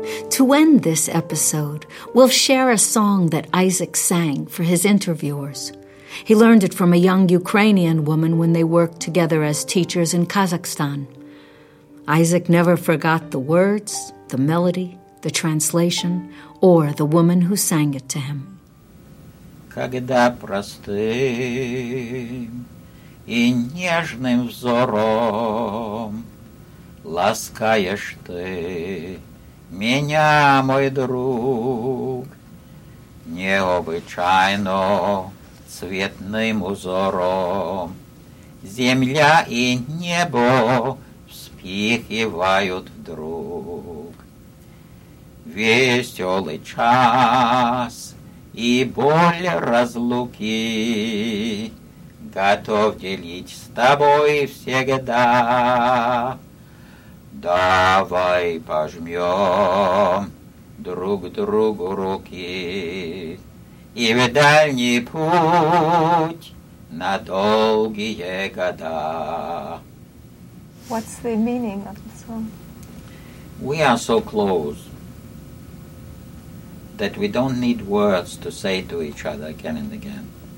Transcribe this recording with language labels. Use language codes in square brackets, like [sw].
[en] To end this episode, we'll share a song that Isaac sang for his interviewers. He learned it from a young Ukrainian woman when they worked together as teachers in Kazakhstan. Isaac never forgot the words, the melody, the translation, or the woman who sang it to him. [ru] Когда простым и нежным взором ласкаешь ты меня, мой друг, необычайно цветным узором. Земля и небо вспыхивают вдруг. Веселый час и боль разлуки готов делить с тобой всегда. Давай пожмем друг другу руки и в дальний путь на долгие года. [en] What's the meaning of the song? We are so close that we don't need words to say to each other again and again.